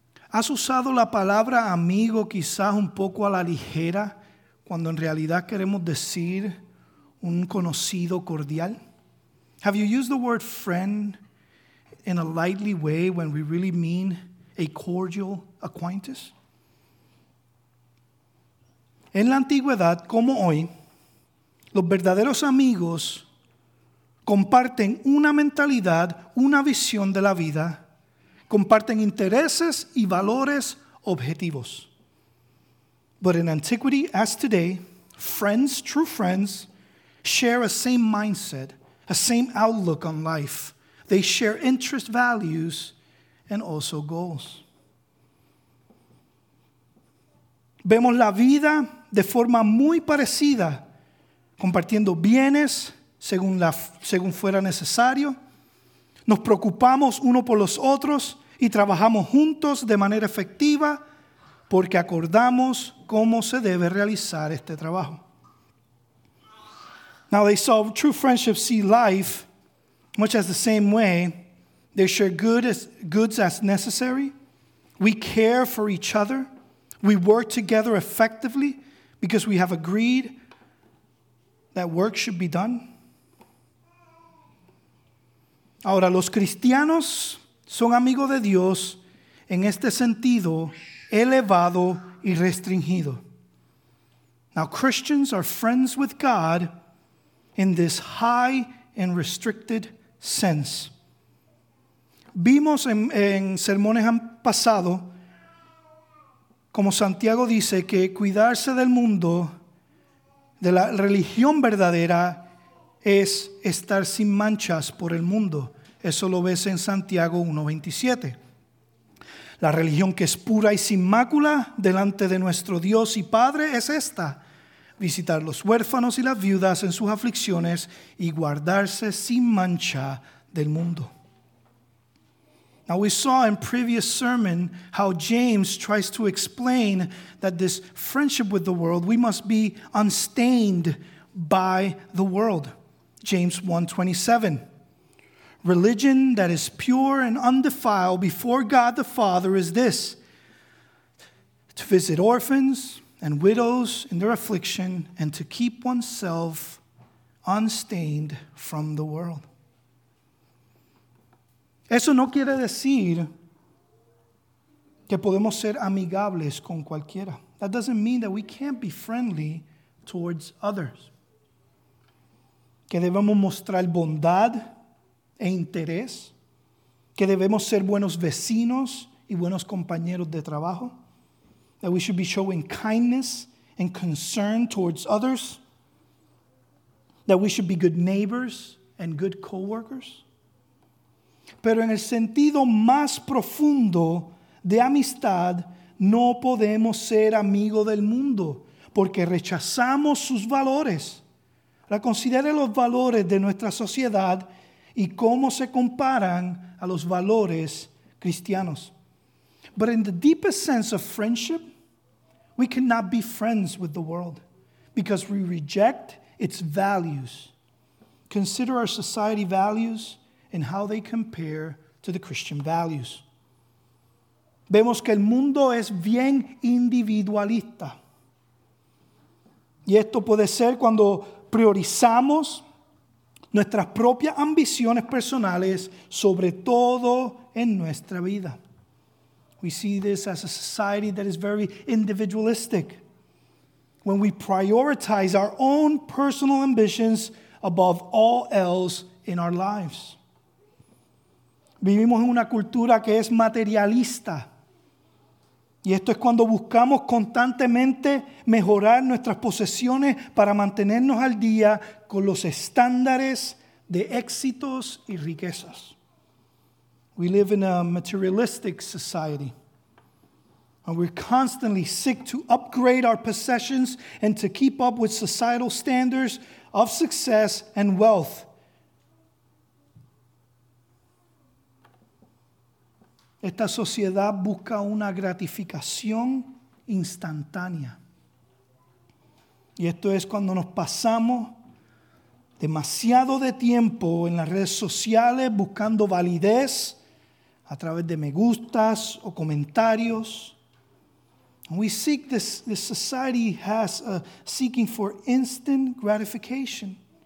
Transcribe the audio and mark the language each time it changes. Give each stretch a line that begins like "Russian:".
Spanish: ¿Has usado la palabra amigo quizás un poco a la ligera cuando en realidad queremos decir un conocido cordial?
English: Have you used the word friend in a lightly way when we really mean a cordial acquaintance?
Spanish: En la antigüedad, como hoy, los verdaderos amigos comparten una mentalidad, una visión de la vida, comparten intereses y valores objetivos.
English: But in antiquity, as today, friends, true friends, share a same mindset, a same outlook on life. They share interest, values, and also goals.
Spanish: Vemos la vida de forma muy parecida, compartiendo bienes según fuera necesario. Nos preocupamos uno por los otros y trabajamos juntos de manera efectiva porque acordamos cómo se debe realizar este trabajo.
English: Now they saw true friendship see life much as the same way. They share goods as necessary. We care for each other. We work together effectively because we have agreed that work should be done.
Spanish: Ahora, los cristianos son amigos de Dios en este sentido elevado y restringido.
English: Now, Christians are friends with God in this high and restricted sense.
Spanish: Vimos en sermones pasados, como Santiago dice, que cuidarse del mundo, de la religión verdadera, es estar sin manchas por el mundo. Eso lo ves en Santiago 1:27. La religión que es pura y sin mácula delante de nuestro Dios y Padre es esta: visitar los huérfanos y las viudas en sus aflicciones y guardarse sin mancha del mundo.
English: Now we saw in previous sermon how James tries to explain that this friendship with the world, we must be unstained by the world. James 1:27. Religion that is pure and undefiled before God the Father is this: to visit orphans and widows in their affliction and to keep oneself unstained from the world.
Spanish: Eso no quiere decir que podemos ser amigables con cualquiera.
English: That doesn't mean that we can't be friendly towards others.
Spanish: Que debemos mostrar bondad e interés, que debemos ser buenos vecinos y buenos compañeros de trabajo,
English: that we should be showing kindness and concern towards others, that we should be good neighbors and good co-workers.
Spanish: Pero en el sentido más profundo de amistad, no podemos ser amigo del mundo porque rechazamos sus valores. Considere los valores de nuestra sociedad y cómo se comparan a los valores cristianos.
English: But in the deepest sense of friendship, we cannot be friends with the world because we reject its values. Consider our society values and how they compare to the Christian values.
Spanish: Vemos que el mundo es bien individualista. Y esto puede ser cuando priorizamos nuestras propias ambiciones personales sobre todo en nuestra vida.
English: We see this as a society that is very individualistic. When we prioritize our own personal ambitions above all else in our lives.
Spanish: Vivimos en una cultura que es materialista. Y esto es cuando buscamos constantemente mejorar nuestras posesiones para mantenernos al día con los estándares de éxitos y riquezas.
English: We live in a materialistic society. And we constantly seek to upgrade our possessions and to keep up with societal standards of success and wealth.
Spanish: Esta sociedad busca una gratificación instantánea. Y esto es cuando nos pasamos demasiado de tiempo en las redes sociales buscando validez a través de me gustas o comentarios.
English: And we seek this, this society has a seeking for instant gratification.